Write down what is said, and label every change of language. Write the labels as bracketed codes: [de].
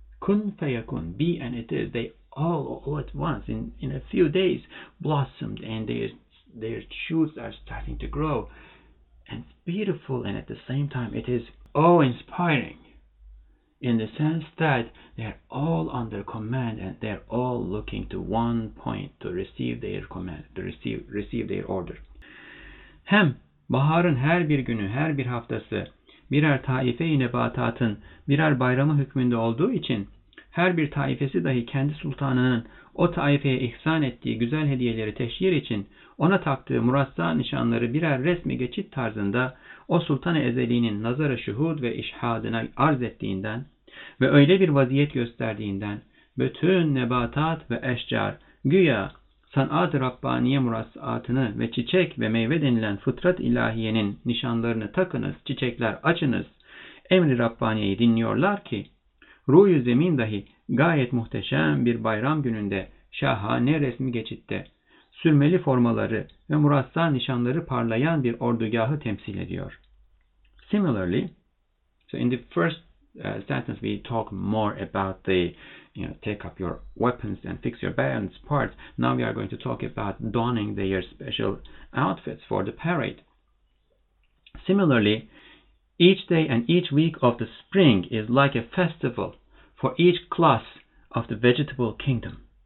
[ar] Kun fayakun, [en] be and it is. They all at once, in a few days, blossomed, and their shoots are starting to grow. And it's beautiful, and at the same time, it is awe-inspiring, in the sense that they're all under command, and they're all looking to one point to receive their command, to receive their order. [tr] Hem baharın her bir günü, her bir haftası, birer taife-i nebatatın birer bayramı hükmünde olduğu için, her bir taifesi dahi kendi sultanının o taifeye ihsan ettiği güzel hediyeleri teşhir için, ona taktığı murassa nişanları birer resmi geçit tarzında, o sultan-ı ezeliğinin nazara şuhud ve işhadına arz ettiğinden ve öyle bir vaziyet gösterdiğinden, bütün nebatat ve eşcar, güya san'at-ı Rabbaniye murassaatını ve çiçek ve meyve denilen fıtrat ilahiyenin nişanlarını takınız, çiçekler açınız, emri Rabbaniye'yi dinliyorlar ki, ruh-i zemin dahi gayet muhteşem bir bayram gününde şahane resmi geçitte, sürmeli formaları ve murassa nişanları parlayan bir ordugahı temsil ediyor. [en] Similarly, so in the first sentence we talk more about the, you know, take up your weapons and fix your bayonets parts. Now we are going to talk about donning their special outfits for the parade. Similarly, each day and each week of the spring is like a festival for each class of the vegetable kingdom.